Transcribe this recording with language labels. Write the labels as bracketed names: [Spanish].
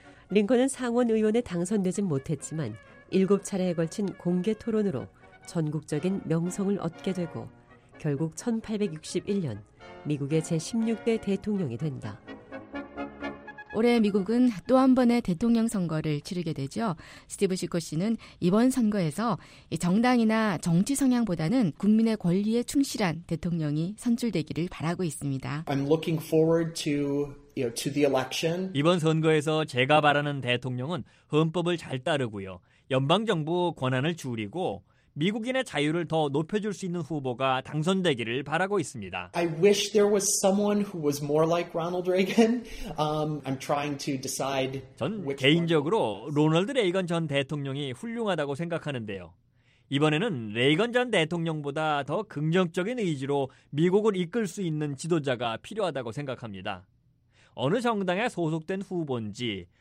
[Korean] 링컨은 상원의원에 당선되진 못했지만 7차례에 걸친 공개토론으로 전국적인 명성을 얻게 되고 결국 1861년 미국의 제16대 대통령이 된다. 올해 미국은 또 한 번의 대통령 선거를 치르게 되죠. 스티브 시코 씨는 이번 선거에서 정당이나 정치 성향보다는 국민의 권리에 충실한 대통령이 선출되기를 바라고 있습니다. [English] I'm looking forward to, you know, to the election. [Korean] 이번 선거에서 제가 바라는 대통령은 헌법을 잘 따르고요. 연방정부 권한을 줄이고 미국인의 자유를 더 높여줄 수 있는 후보가 당선되기를 바라고 있습니다. [English] I wish there was someone who was more like Ronald Reagan. I'm trying to decide. [Korean] 전 개인적으로 로널드 레이건 전 대통령이 훌륭하다고 생각하는데요. 이번에는 레이건 전 대통령보다 더 긍정적인 의지로 미국을 이끌 수 있는 지도자가 필요하다고 생각합니다. 어느 정당에 소속된 후보인지